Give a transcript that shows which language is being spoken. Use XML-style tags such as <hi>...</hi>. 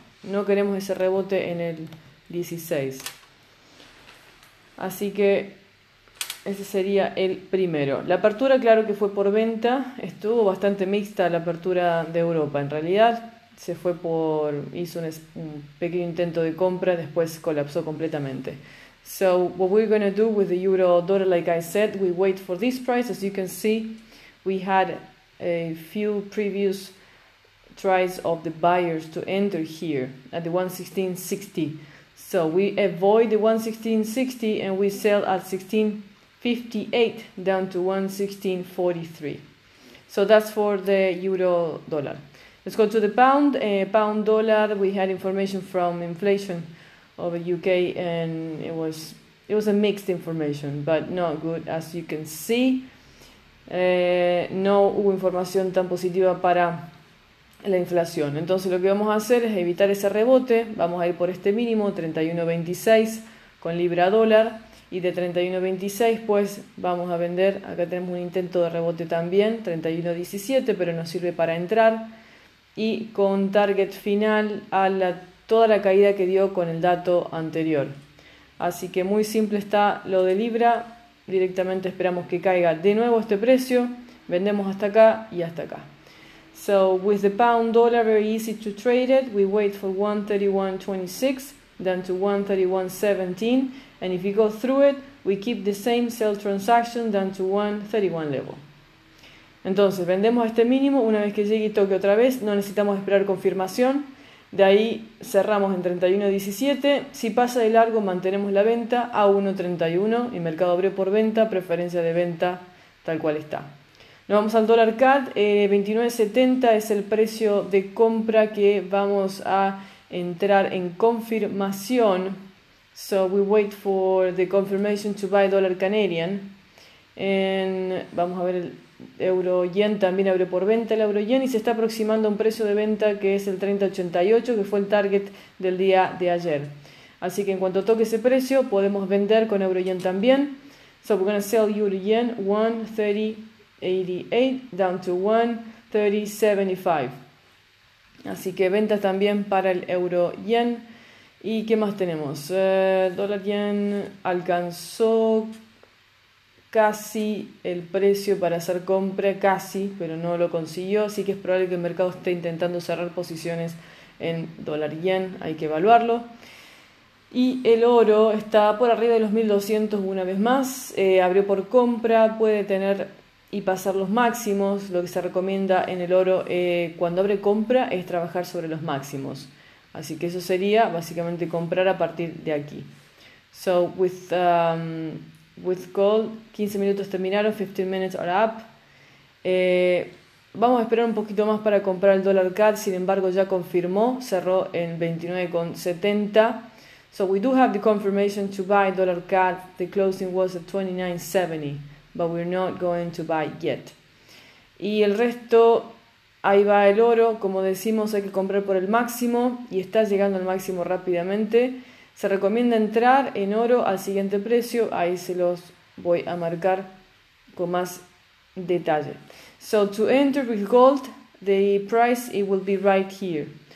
<es>No queremos ese rebote en el 16. Así que ese sería el primero. La apertura, claro que fue por venta. Estuvo bastante mixta la apertura de Europa. En realidad se fue por... hizo un pequeño intento de compra, después colapsó completamente.</es> <en>So what we're going to do with the euro dollar, like I said, we wait for this price. As you can see, we had a few previous tries of the buyers to enter here at the 1.1660. So we avoid the 1.1660 and we sell at 16.58 down to 1.1643. So that's for the euro dollar. Let's go to the pound. Pound dollar, we had information from inflation over UK and it was a mixed information, but not good as you can see.</en> <es>No hubo información tan positiva para la inflación. Entonces lo que vamos a hacer es evitar ese rebote. Vamos a ir por este mínimo, 31.26 con libra dólar. Y de 31.26 pues vamos a vender. Acá tenemos un intento de rebote también, 31.17, pero nos sirve para entrar. Y con target final a toda la caída que dio con el dato anterior. Así que muy simple está lo de libra. Directamente esperamos que caiga de nuevo este precio. Vendemos hasta acá y hasta acá.</es> <en>So with the pound dollar, very easy to trade it. We wait for 1.3126, then to 1.3117. And if you go through it, we keep the same sell transaction, then to 1.31 level.</en> <es>Entonces, vendemos este mínimo. Una vez que llegue y toque otra vez, no necesitamos esperar confirmación. De ahí cerramos en 31.17. Si pasa de largo, mantenemos la venta a 1.31 y mercado abre por venta, preferencia de venta tal cual está. Nos vamos al dólar CAD. 29.70 es el precio de compra que vamos a entrar en confirmación.</es> <en>So we wait for the confirmation to buy dollar Canadian.</en> <es>And vamos a ver el euro yen, también abre por venta el euro yen y se está aproximando a un precio de venta que es el 30.88, que fue el target del día de ayer. Así que en cuanto toque ese precio, podemos vender con euro yen también.</es> <en>So we're going to sell euro yen 1.3088 down to 1.3075.</en> <es>Así que ventas también para el euro yen. ¿Y qué más tenemos? Dólar yen alcanzó casi el precio para hacer compra, casi, pero no lo consiguió. Así que es probable que el mercado esté intentando cerrar posiciones en dólar yen. Hay que evaluarlo. Y el oro está por arriba de los 1.200 una vez más. Abrió por compra, puede tener y pasar los máximos. Lo que se recomienda en el oro cuando abre compra es trabajar sobre los máximos. Así que eso sería básicamente comprar a partir de aquí.</es> <en>So with... with gold,</en> <es>15 minutos terminaron,</es> <en>15 minutes are up.</en> <es>Vamos a esperar un poquito más para comprar el dólar CAD, sin embargo ya confirmó, cerró en 29.70.</es> <en>So we do have the confirmation to buy dollar CAD, the closing was at 29.70, but we're not going to buy yet.</en> <es>Y el resto, ahí va el oro, como decimos hay que comprar por el máximo y está llegando al máximo rápidamente. Se recomienda entrar en oro al siguiente precio. Ahí se los voy a marcar con más detalle.</es> <en>So to enter with gold, the price it will be right here.</en>